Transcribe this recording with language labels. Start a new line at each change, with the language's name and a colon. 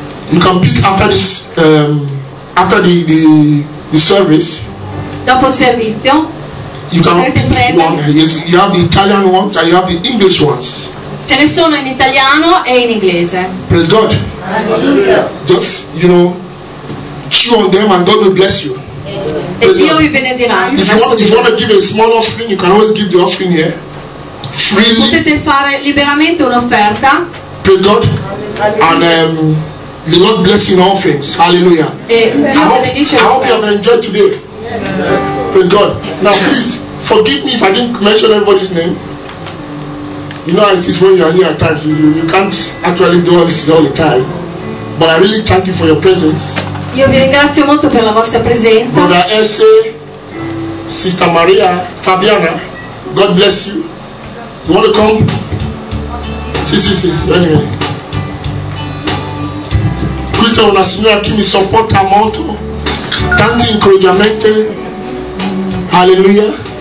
English: You can pick after this, after the service.
Italian: Dopo il servizio.
English: You can pick one. Yes, you have the Italian ones and you have the English ones.
Italian: Ce ne sono in italiano e in inglese.
English: Praise God. Hallelujah. Just, you know, chew on them and God will bless you.
Italian: E Dio vi benedirà.
English: If you want to give a small offering, you can always give the offering here freely.
Italian: Potete fare liberamente un'offerta.
English: Praise God. And the Lord bless you in all things. Hallelujah. I hope you have enjoyed today. Yes. Praise God. Now please forgive me if I didn't mention everybody's name. You know how it is when you are here at times. You can't actually do all this all the time. But I really thank you for your presence.
Italian: Io vi ringrazio molto per la vostra presenza.
English: Brother Esse, Sister Maria, Fabiana, God bless you. You want to come? Sì. Anyway.
Italian: Questa è una signora che mi supporta molto. Tanti incoraggiamenti. Alleluia.